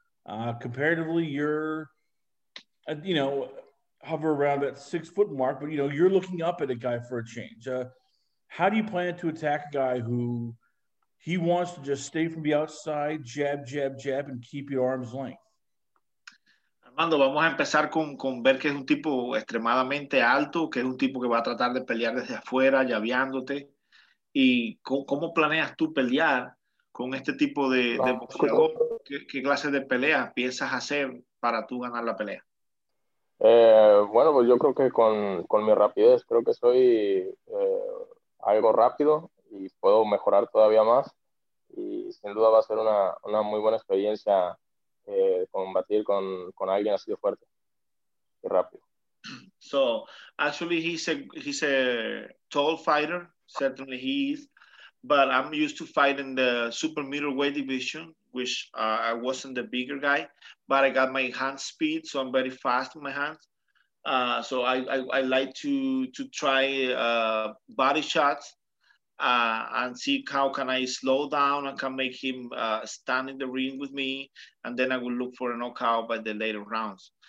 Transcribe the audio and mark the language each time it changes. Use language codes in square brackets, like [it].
[en] Comparatively, you're hover around that 6 foot mark, but you know you're looking up at a guy for a change. How do you plan to attack a guy who he wants to just stay from the outside, jab, jab, jab, and keep your arm's length? [es] Armando, vamos a empezar con ver que es un tipo extremadamente alto, que es un tipo que va a tratar de pelear desde afuera, llaveándote. ¿Y cómo planeas tú pelear con este tipo de boxeador? ¿Qué clase de pelea piensas hacer para tú ganar la pelea? Bueno, pues yo creo que con mi rapidez, creo que soy algo rápido y puedo mejorar todavía más. Y sin duda va a ser una muy buena experiencia combatir con alguien así de fuerte y rápido. [en] So actually he's a tall fighter, certainly he is, but I'm used to fighting the super middleweight division, which I wasn't the bigger guy, but I got my hand speed, so I'm very fast in my hands. So I like to try body shots and see how can I slow down and can make him stand in the ring with me, and then I will look for a knockout by the later rounds.